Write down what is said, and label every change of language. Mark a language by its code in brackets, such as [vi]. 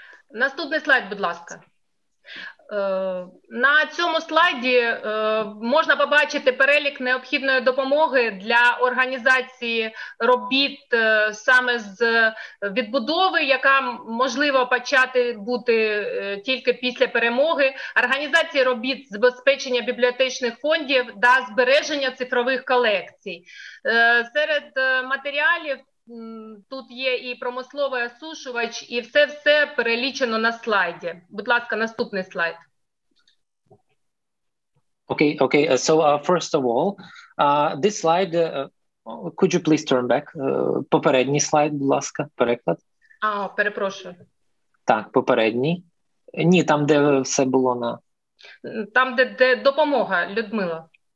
[uk] Наступний слайд, будь ласка. На цьому слайді можна побачити перелік необхідної допомоги для організації робіт саме з відбудови, яка можливо почати бути тільки після перемоги, організації робіт забезпечення бібліотечних фондів та збереження цифрових колекцій. Серед матеріалів тут є і промисловий осушувач, і все-все перелічено на слайді. Будь ласка, наступний слайд. [en] Okay, okay. So first of all, this slide, could you please turn back? [uk] Попередній слайд, будь ласка, переклад. А, перепрошую. Так, попередній. Ні, там, де все було на... Там, де допомога, Людмила.